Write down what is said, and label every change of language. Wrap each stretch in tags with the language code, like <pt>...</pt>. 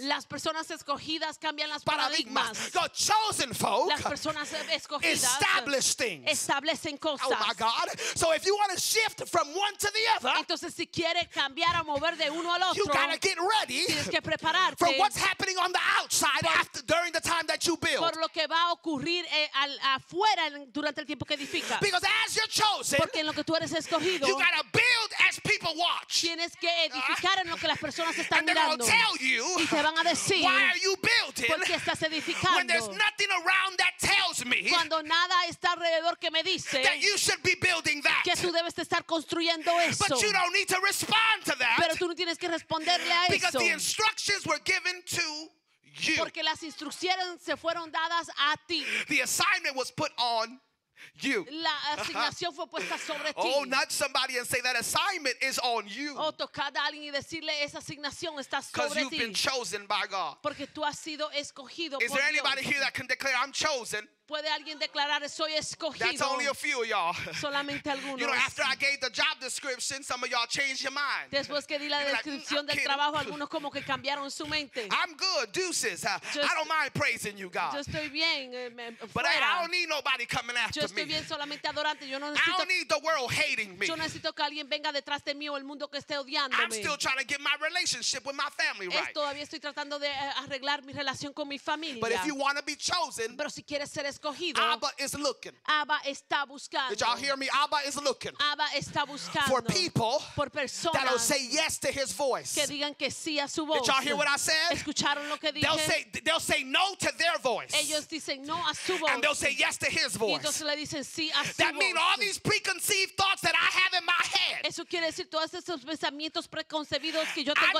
<es>Las personas escogidas cambian las paradigmas.</es> <en>The chosen folk,</en> <es>las personas escogidas,</es> <en>establish things.</en> <es>Establecen cosas.</es> <en>Oh my God! So if you want to shift from one to the other,</en> <es>entonces si quiere cambiar o mover de uno al otro,</es> <en>you gotta get ready.</en> <es>Tienes que preparar.</es> <en>For what's happening on the outside after, during the time that you build.</en> <es>Por lo que va a ocurrir afuera durante el tiempo que edificas.</es> <en>Because as you're chosen,</en> <es>porque en lo que tú eres escogido,</es> <en>you gotta build as people watch.</en> <es>Tienes que edificar en lo que las personas están</es> <en>and</en> <es>mirando.</es> <en>They're gonna tell you,</en> <es>y te van a decir,</es> <en>why are you building?</en> <es>¿Por qué estás edificando?</es> <en>When there's nothing around that tells me,</en> <es>cuando nada está alrededor que me dice,</es> <en>that you should be building that.</en> <es>Que tú debes estar construyendo eso.</es> <en>But you don't need to respond to that.</en> <es>Pero tú no tienes que responderle a eso.</es> <en>Because the instructions were given to you.</en> <es>Porque las instrucciones se fueron dadas a ti.</es> <en>The assignment was put on you.</en> <es>La asignación fue puesta sobre ti.</es> <en>Oh, not somebody and say that assignment is on you.</en> <es>O tocar a alguien y decirle esa asignación está sobre ti.</es> <en>Because you've been chosen by God.</en> <es>Porque tú has sido escogido por Dios.</es> <en>Is there anybody here that can declare I'm chosen?</en> <es>Puede alguien declarar soy escogido?</es> <en>That's only a few, y'all.</en> <es>Solamente algunos.</es> <en>You know, after I gave the job description, some of y'all changed your mind.</en> <es>Después que di la descripción del trabajo, algunos como que cambiaron su mente.</es> <en>I'm good, deuces. I don't mind praising you, God.</en> <es>Yo estoy bien.</es> <en>But I don't need nobody coming after me.</en> <es>Yo estoy bien solamente adorante. Yo no necesito.</es> <en>I don't need the world hating me.</en> <es>Yo necesito que alguien venga detrás de mí o el mundo que esté odiándome.</es> <en>I'm still trying to get my relationship with my family right.</en> <es>Todavía estoy tratando de arreglar mi relación con mi familia.</es> <en>But if you want to be chosen,</en> <es>pero si quieres ser escogido.</es> <en>Abba is looking.</en> <es>Abba está buscando.</es> <en>Did y'all hear me? Abba is looking.</en> <es>Abba está buscando.</es> <en>For people,</en> <es>por personas,</es> <en>that'll say yes to his voice.</en> <es>Que digan que sí a su voz.</es> <en>Did y'all hear what I said?</en> <es>Escucharon lo que dije.</es> <en>They'll say no to their voice.</en> <es>Ellos dicen no a su voz.</es> <en>And they'll say yes to his voice.</en> <es>Y entonces le dicen sí a su</es> <en>that</en> <es>voz.</es> <en>Mean all these preconceived thoughts that I have in my head.</en> <es>Eso quiere decir todos esos pensamientos preconcebidos que yo tengo</es>